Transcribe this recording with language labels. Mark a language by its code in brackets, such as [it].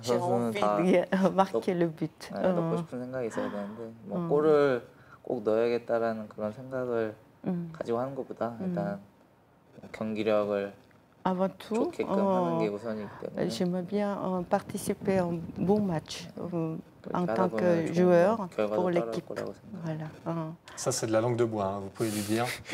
[ko] 선수는 다 [fr] marquer le but. [ko] 네, 넣고 싶은 생각이 있어야 되는데, 뭐 골을 꼭 넣어야겠다라는 그런 생각을 가지고 하는 것보다 일단 경기력을 [fr] avant tout, j'aimerais bien participer à un bon match en tant que joueur pour l'équipe. Voilà. Ça, c'est de la langue de bois, hein. Vous pouvez lui dire.